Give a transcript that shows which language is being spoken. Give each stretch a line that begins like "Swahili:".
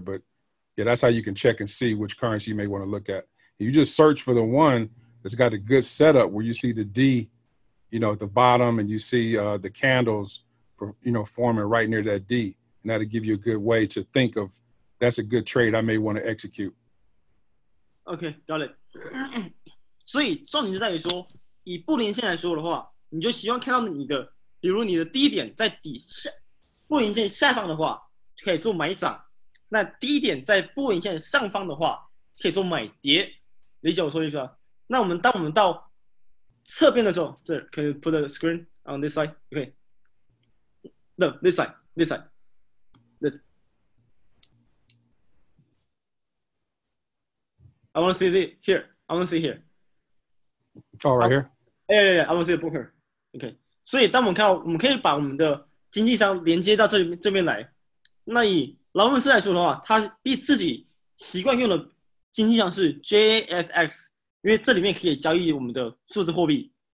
English: But, yeah, that's how you can check and see which currency you may want to look at. You just search for the one that's got a good setup where you see the D, you know, at the bottom, and you see the candles, you know, forming right near that D. And that'll give you a good way to think of that's a good trade I may want to execute. Okay, got it.
Chinese: 所以重点就在于说，以布林线来说的话，你就希望看到你的，比如你的低点在底下，布林线下方的话，可以做买涨；那低点在布林线上方的话，可以做买跌。理解我说意思吗？那我们当我们到侧边的时候，这
English: can you put the screen on this side? Okay. No, this side, this side, this. I want to see it here. I want to see it here. Oh, right here. Yeah, yeah, yeah. I want to see the broker. Okay.
Chinese: 所以当我们看到，我们可以把我们的经纪商连接到这边来。那以劳伦斯来说的话，他自己习惯用的经纪商是 JFX， 因为这里面可以交易我们的数字货币。